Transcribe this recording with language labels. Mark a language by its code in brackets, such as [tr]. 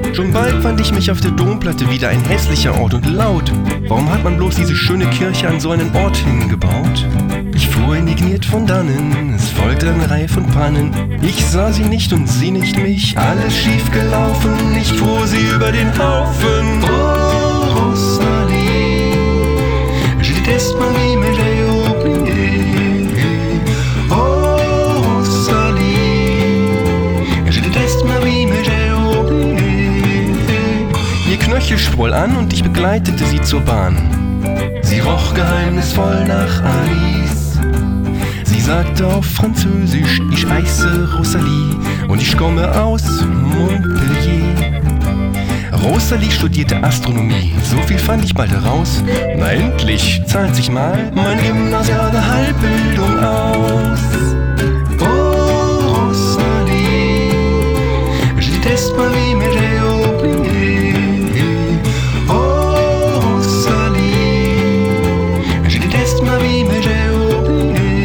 [de] Schon bald fand ich mich auf der Domplatte wieder, ein hässlicher Ort und laut. Warum hat man bloß diese schöne Kirche an so einen Ort hingebaut? Ich fuhr indigniert von dannen, es folgte eine Reihe von Pannen. Ich sah sie nicht und sie nicht mich, alles schief gelaufen. Ich fuhr sie über den Haufen. [fr] Oh, Rosalie, je déteste ma vie, mais j'ai oublié. Oh, Rosalie, je déteste ma vie, mais j'ai oublié. [de] Ihr Knöchel schwoll an und ich begleitete sie zur Bahn. Sie roch geheimnisvoll nach Alice. Sagte auf Französisch, ich heiße Rosalie und ich komme aus Montpellier. Rosalie studierte Astronomie, so viel fand ich bald heraus. Na endlich zahlt sich mal meine gymnasiale Halbbildung aus. [fr] Oh Rosalie, je déteste ma vie, mais j'ai oublié. Oh Rosalie, je déteste ma vie, mais j'ai oublié.